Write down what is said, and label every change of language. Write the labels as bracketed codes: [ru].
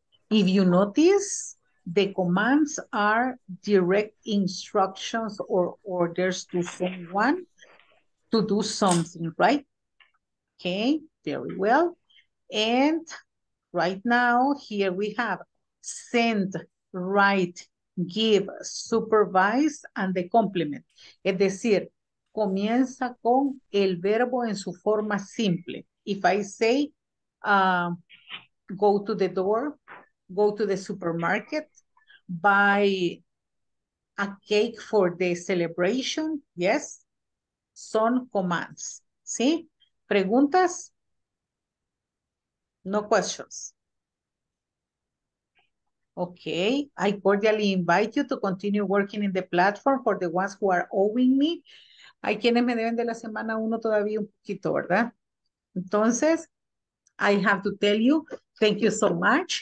[en] If you notice, the commands are direct instructions or orders to someone to do something, right? Okay, very well. And right now, here we have send, write, give, supervise, and the complement. [es] Es decir, comienza con el verbo en su forma simple. [en] If I say, go to the door, go to the supermarket, buy a cake for the celebration, yes? [es] Son commands, ¿sí? ¿Preguntas? [en] No questions. Okay, I cordially invite you to continue working in the platform for the ones who are owing me. [es] Hay quienes me deben de la semana uno todavía un poquito, ¿verdad? Entonces, [en] I have to tell you, thank you so much.